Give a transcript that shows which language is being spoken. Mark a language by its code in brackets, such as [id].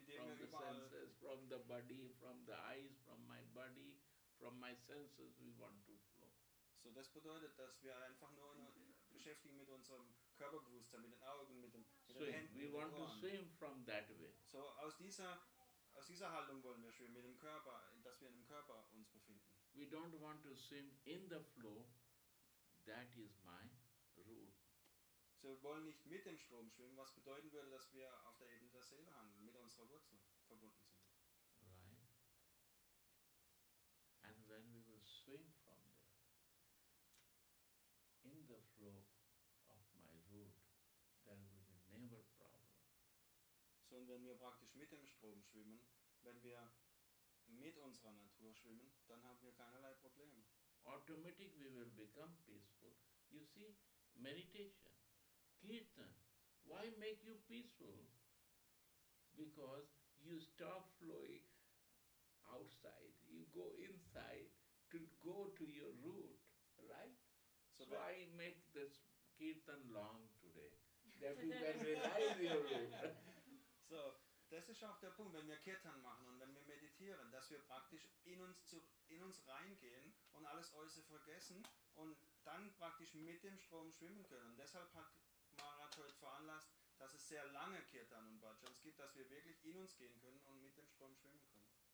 [en] from the senses, from the body, from the eyes, from my body. From my senses we want to flow. [de] So das bedeutet, dass wir einfach nur beschäftigen mit unserem Körperbewusstsein, mit den Augen, mit den Händen. [en] We want to swim from that way. [de] So aus dieser Haltung wollen wir schwimmen, mit dem Körper, dass wir im Körper uns befinden. [en] We don't want to swim in the flow. That is my root. [de] So wir wollen nicht mit dem Strom schwimmen, was bedeuten würde, dass wir auf der Ebene der Seele handeln, mit unserer Wurzel verbunden sind. [en] And when we will swim from there, in the flow of my root, there will be never problem. [de] So, und wenn wir praktisch mit dem Strom schwimmen, wenn wir mit unserer Natur schwimmen, dann haben wir keinerlei Probleme. [en] Automatic we will become peaceful. You see, meditation, kirtan, why make you peaceful? Because you stop flowing outside, you go inside to go to your root, right? So I make this kirtan long today, that you can realize your root. [de] So, das ist auch der Punkt, wenn wir Kirtan machen und wenn wir meditieren, dass wir praktisch in uns reingehen und alles Äußere vergessen und dann praktisch mit dem Strom schwimmen können. Und deshalb hat Maharaj heute veranlasst, dass es sehr lange Kirtan und Bhajans gibt, dass wir wirklich in uns gehen können und mit dem Strom schwimmen können.